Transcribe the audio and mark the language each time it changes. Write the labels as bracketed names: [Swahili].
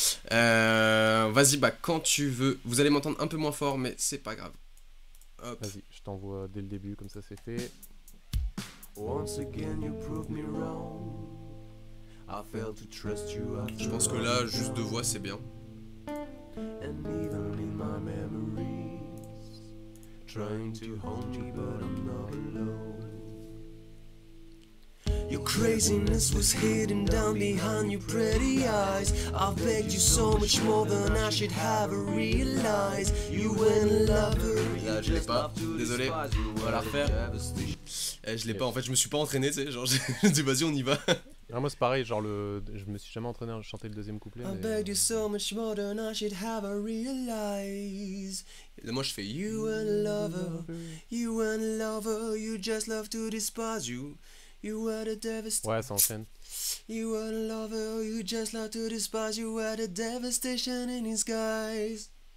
[French] Vas-y, bah, quand tu veux. Vous allez m'entendre un peu moins fort, mais c'est pas grave. Hop. Vas-y, je t'envoie dès le début, comme ça c'est fait. [English] Once again you prove me wrong. I failed to trust you after. [French] Je pense que là, juste deux voix, c'est bien. [English] And even in my memories, trying to haunt me, but I'm not alone. Your craziness was hidden down behind your pretty eyes. I begged you so much more than I should have realized. You were a lover. [French] Là, je l'ai pas, désolé. On va la refaire. Je l'ai pas, en fait, je me suis pas entraîné, tu sais. Genre, j'ai dit, vas-y, on y va. Ah, moi, c'est pareil, genre, je me suis jamais entraîné à chanter le deuxième couplet. [English] I begged you so much more than I should have realized. [French] Et moi, je fais [English] you were a lover. You were a lover. You just love to despise you. You were the devastation. [French] Ouais, ça enchaîne. [English] You were a lover, you just love to despise. You were the devastation in his guise.